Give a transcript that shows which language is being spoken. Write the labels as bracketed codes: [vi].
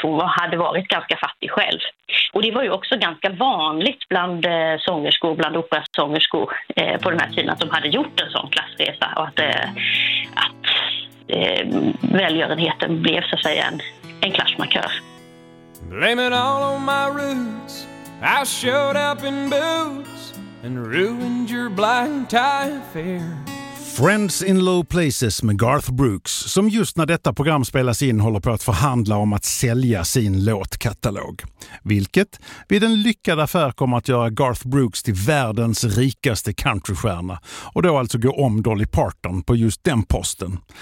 [sv] Hon hade varit ganska fattig själv. Och det var ju också ganska vanligt bland sångerskor, bland operasångerskor på den här tiden att de hade gjort en sån klassresa och att välgörenheten blev så att säga en klassmarkör. [en] Blaming all of my roots, I showed up in boots and ruined your blind tie affair. [sv] Friends in Low Places med Garth Brooks, som just när detta program spelas in håller på att förhandla om att sälja sin låtkatalog. Vilket vid en lyckad affär kommer att göra Garth Brooks till världens rikaste countrystjärna och då alltså gå om Dolly Parton på just den posten.